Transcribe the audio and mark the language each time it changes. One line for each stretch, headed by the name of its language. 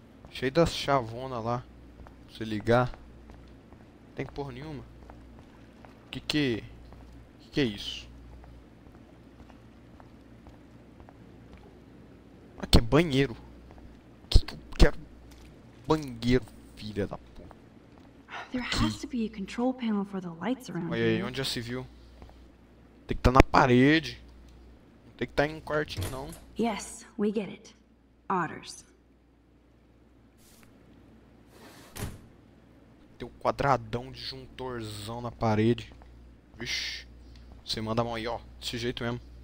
Portuguese: Cheio das chavonas lá. Pra você ligar. Não tem porra nenhuma. Que é isso? Aqui é banheiro. Que é banheiro, filha da puta.
English: There has to be a control panel for the lights around.
Portuguese: Olha aí, onde já se viu? Tem que estar na parede. Não tem que estar em um quartinho, não.
English: Yes, we get it. Otters.
Portuguese: Tem um quadradão de juntorzão na parede. Vixi, você manda a mão aí, ó. Desse jeito mesmo.